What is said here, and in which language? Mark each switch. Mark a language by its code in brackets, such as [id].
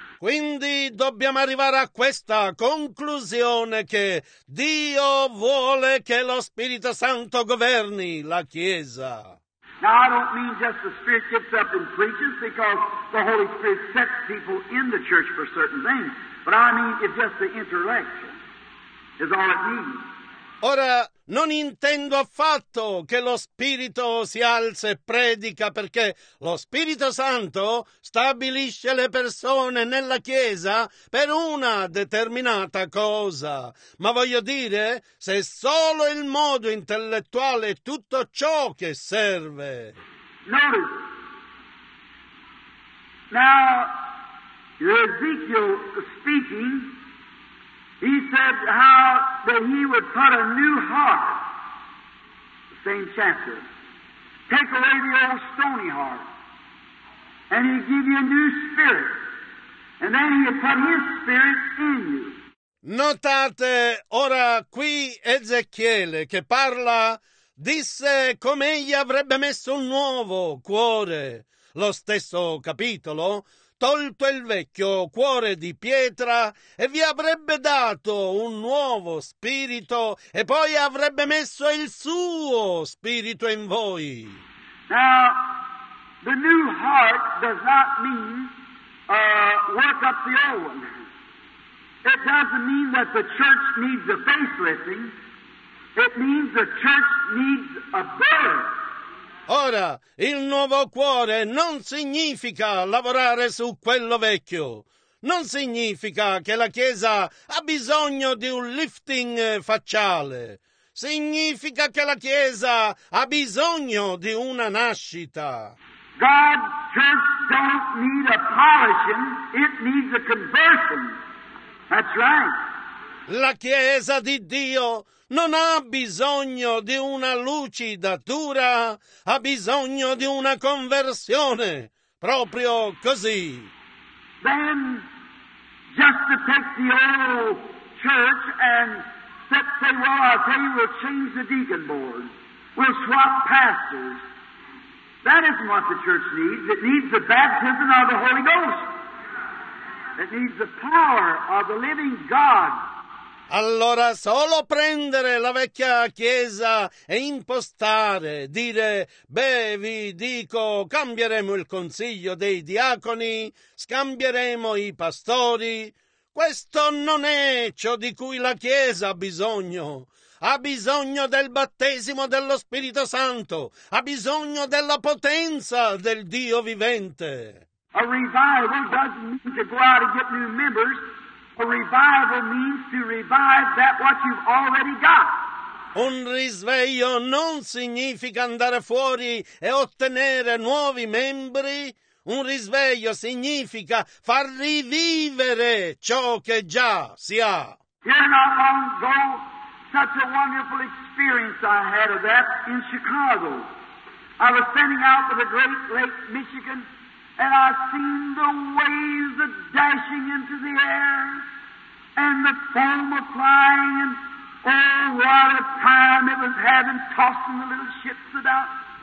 [it] Quindi dobbiamo arrivare a questa conclusione che Dio vuole che lo Spirito Santo governi la Chiesa. [en] Now I don't mean just the Spirit gets up and preaches, because the Holy Spirit sets people in the church for certain things, but I mean it's just the intellect is all it needs. [it] Ora, non intendo affatto che lo Spirito si alza e predica, perché lo Spirito Santo stabilisce le persone nella Chiesa per una determinata cosa. Ma voglio dire, se solo il modo intellettuale è tutto ciò che serve. [en] Notice. Now, Ezekiel speaking. He said how that he would put a new heart, the same chapter, take away the old stony heart, and he'd give you a new spirit, and then he'd put his spirit in you. [it] Notate ora qui Ezechiele che parla, disse come egli avrebbe messo un nuovo cuore, lo stesso capitolo, tolto il vecchio cuore di pietra e vi avrebbe dato un nuovo spirito e poi avrebbe messo il suo spirito in voi. [en] Now, the new heart does not mean work up the old one. It doesn't mean that the church needs a facelifting. It means the church needs a birth. [it] Ora, il nuovo cuore non significa lavorare su quello vecchio. Non significa che la Chiesa ha bisogno di un lifting facciale. Significa che la Chiesa ha bisogno di una nascita. [en] God just don't need a polishing, it needs a conversion. That's right. [it] La Chiesa di Dio non ha bisogno di una lucidatura, ha bisogno di una conversione, proprio così. [en] Then, just to take the old church and say, well, I'll tell you, we'll change the deacon board, we'll swap pastors. That isn't what the church needs. It needs the baptism of the Holy Ghost. It needs the power of the living God. [it] Allora solo prendere la vecchia chiesa e impostare, dire, beh, vi dico, cambieremo il consiglio dei diaconi, scambieremo i pastori. Questo non è ciò di cui la chiesa ha bisogno. Ha bisogno del battesimo dello Spirito Santo, ha bisogno della potenza del Dio vivente. [en] A revival doesn't mean to go out and get new members. A revival means to revive that what you've already got. [it] Un risveglio non significa andare fuori e ottenere nuovi membri. Un risveglio significa far rivivere ciò che già si ha. [en] Here not long ago, such a wonderful experience I had of that in Chicago. I was standing out for the Great Lake Michigan, and I seen the waves a dashing into the air, and the foam a flying, and oh, what a time it was having tossing the little ships about.